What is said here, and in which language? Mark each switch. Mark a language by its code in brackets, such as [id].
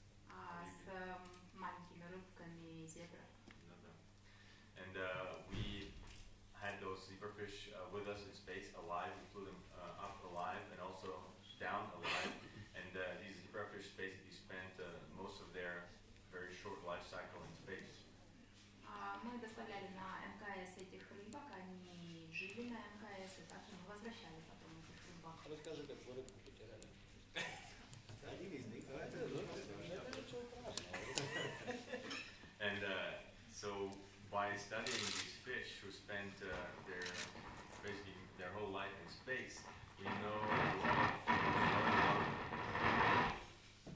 [en] And we had those zebra fish with us in space alive. We flew them up alive and also down alive. And these zebra fish basically spent most of their very short life cycle in space. [ru] Мы доставляли на МКС этих рыбок, они жили на МКС, и также мы возвращали потом этих рыбок. Расскажи, как вы рыбку потеряли. Один из них. [en] And so by studying these fish who spent their basically their whole life in space, we know a lot of